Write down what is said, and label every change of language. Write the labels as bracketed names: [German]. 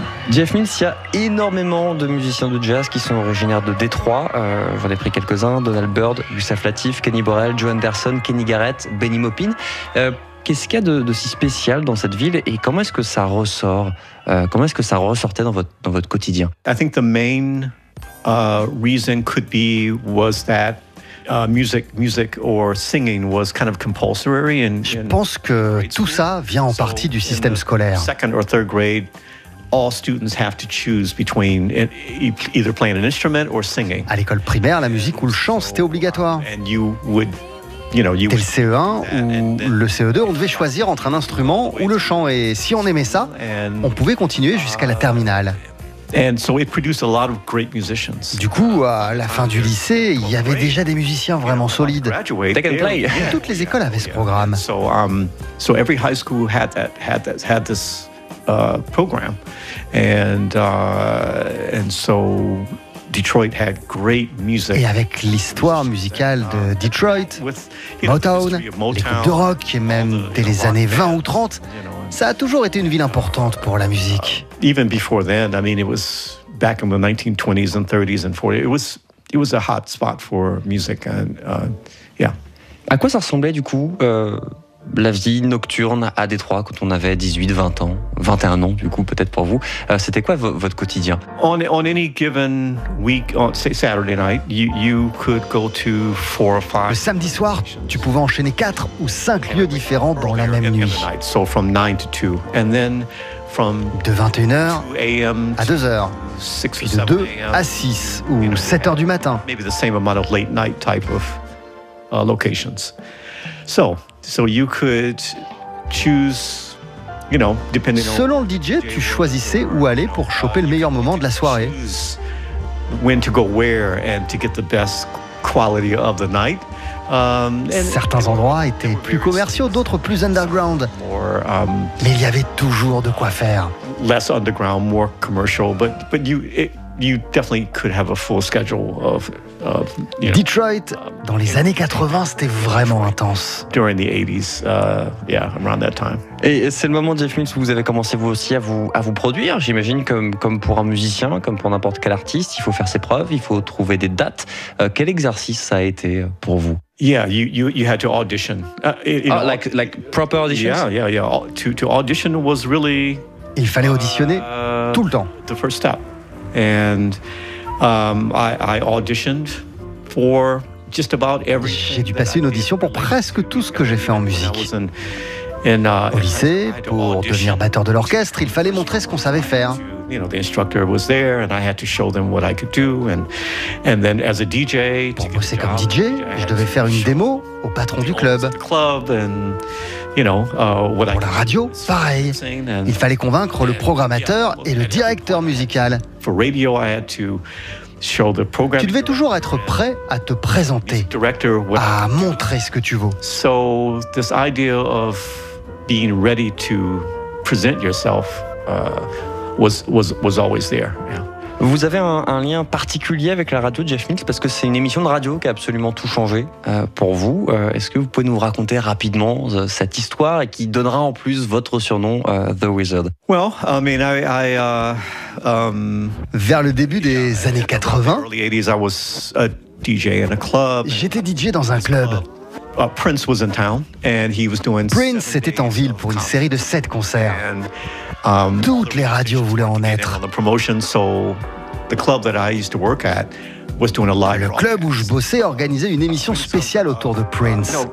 [French] Jeff Mills, il y a énormément de musiciens de jazz qui sont originaires de Détroit. J'en ai pris quelques-uns, Donald Byrd, Gustav Latif, Kenny Burrell, Joe Anderson, Kenny Garrett, Benny Maupin. Qu'est-ce qu'il y a de si spécial dans cette ville et comment est-ce que ça ressort? Comment est-ce que ça ressortait dans votre quotidien? [English] I think the main reason could be was that music or singing was kind of compulsory. [French] Je pense que tout ça vient en partie du système scolaire. [English] Second or third grade, all students have to choose between either playing an instrument or singing. [French] À l'école primaire, la musique ou le chant, c'était obligatoire. T'es le CE1 ou le CE2, on devait choisir entre un instrument ou le chant. Et si on aimait ça, on pouvait continuer jusqu'à la terminale. [English] And so it produced a lot of great musicians. [French] Du coup, à la fin du lycée, il y avait déjà des musiciens vraiment solides. [English] They can play. [French] Toutes les écoles avaient ce programme. [English] So every high school had this program, and so Detroit had great music. [French] Et avec l'histoire musicale de Detroit, Motown, les groupes de rock, et même dès les années 20 ou 30, ça a toujours été une ville importante pour la musique. [English] Even before then, I mean, it was back in the 1920s and 30s and 40s. It was a hot spot for music. [French] À quoi ça ressemblait du coup la vie nocturne à Détroit quand on avait 18, 20 ans, 21 ans du coup peut-être pour vous, c'était quoi votre quotidien? [English] On any given week, on say Saturday night, you could go to four or five. [French] Le samedi soir, tu pouvais enchaîner 4 ou 5 lieux différents dans la même nuit. [English] So from 9 to 2 and then from [French] de 21h à 2h. Puis de 2 à 6 ou 7h du matin. [English] Maybe the same amount of late night type of locations. So you could choose, you know, depending on. [French] Selon le DJ, tu choisissais où aller pour choper le meilleur moment de la soirée. [English] When to go where and to get the best quality of the night. [French] Certains endroits étaient plus commerciaux, d'autres plus underground. Mais il y avait toujours de quoi faire. [English] Less underground, more commercial, but you. You definitely could have a full schedule of you know, [French] Detroit. Dans les années 80, c'était vraiment intense. [English] During the 80s, yeah, around that time. [French] Et c'est le moment, Jeff Mills, où vous avez commencé vous aussi à vous produire. J'imagine comme pour un musicien, comme pour n'importe quel artiste, il faut faire ses preuves, il faut trouver des dates. Quel exercice ça a été pour vous? [English] Yeah, you had to audition. Like proper auditions? Yeah. To audition was really. [French] Il fallait auditionner tout le temps. [English] The first step. And I auditioned for just about everything. [French] J'ai dû passer une audition pour presque tout ce que j'ai fait en musique. Au lycée, pour devenir batteur de l'orchestre, il fallait montrer ce qu'on savait faire. [English] You know, the instructor was there, and I had to show them what I could do. And then, as a DJ, [French] pour bosser comme DJ, je devais faire une démo au patron du club. Pour la radio, pareil. Il fallait convaincre le programmateur et le directeur musical. [English] For radio, I had to show the program. [French] Tu devais toujours être prêt à te présenter, [English] director, [French] à montrer ce que tu vaux. [English] So this idea of being ready to present yourself. Was always there. Yeah. [French] Vous avez un lien particulier avec la radio, Jeff Mills, parce que c'est une émission de radio qui a absolument tout changé pour vous. Est-ce que vous pouvez nous raconter rapidement cette histoire et qui donnera en plus votre surnom, The Wizard? [English] Well, I mean, I [French] vers le début des années 80, [English] early 80s, I was a DJ in a club. [French] J'étais DJ dans un club. [English] Prince was in town and he was doing. [French] Prince était en ville pour une série de 7 concerts. [English] And, [French] toutes les radios voulaient en être. Le club où je bossais organisait une émission spéciale autour de Prince.